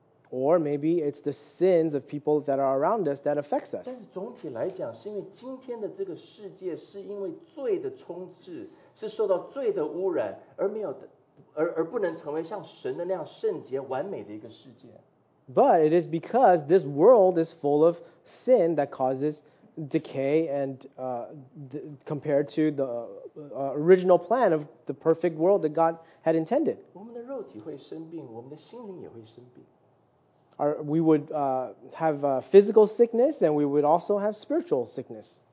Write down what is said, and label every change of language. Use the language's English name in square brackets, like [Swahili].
[English] Or maybe it's the sins of people that are around us that affects us. [Chinese] 但是总体来讲，是因为今天的这个世界是因为罪的充斥，是受到罪的污染，而没有，而不能成为像神的那样圣洁完美的一个世界。 [English] But it is because this world is full of sin that causes decay and compared to the original plan of the perfect world that God had intended. [Chinese] 我们的肉体会生病，我们的心灵也会生病。 [English] We would have physical sickness and we would also have spiritual sickness.